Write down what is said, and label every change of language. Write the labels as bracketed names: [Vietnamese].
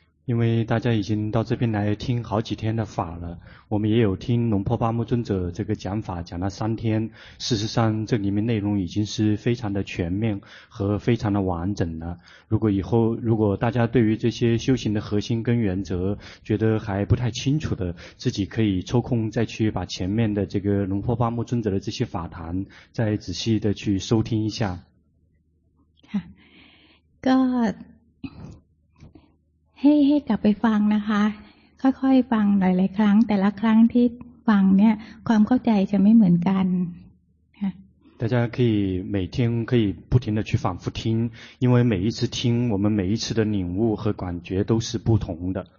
[Chinese] 因为大家已经到这边来听好几天的法了我们也有听龙婆巴木尊者这个讲法讲了三天事实上这里面内容已经是非常的全面和非常的完整了如果大家对于这些修行的核心跟原则觉得还不太清楚的自己可以抽空再去把前面的这个龙婆巴木尊者的这些法谈再仔细的去收听一下 God. [Thai] ให้กลับไปฟังนะคะค่อยๆฟังหลายๆครั้งแต่ละครั้งที่ฟังเนี่ยความเข้าใจจะไม่เหมือนกัน [Chinese] ค่ะ大家可以每天可以不停的去反复听因为每一次听我们每一次的领悟和感觉都是不同的